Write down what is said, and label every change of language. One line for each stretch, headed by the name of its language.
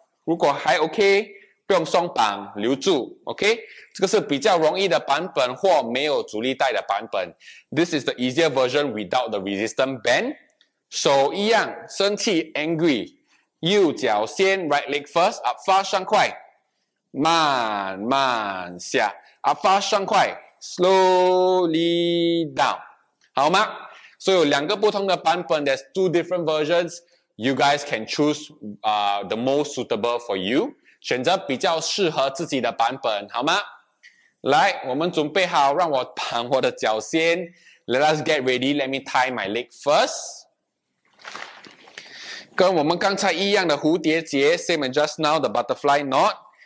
Chinese: 如果还 OK, 不用双绑，留住。
English: OK?
Chinese: 这个是比较容易的版本或没有阻力带的版本。
English: This is the easier version without the resistance band.
Chinese: 手一样，生气 ,angry. 右脚先 ,
English: right leg first, up fast,
Chinese: 上快。慢慢下。
English: Up fast,
Chinese: 上快。
English: Slowly down.
Chinese: 好吗？ So, 有两个不同的版本
English: there's two different versions. You guys can choose, the most suitable for you.
Chinese: 选择比较适合自己的版本好吗？来，我们准备好，让我绑我的脚先。
English: Let us get ready. Let me tie my leg first.
Chinese: 跟我们刚才一样的蝴蝶结 ，
English: same as just now the butterfly knot.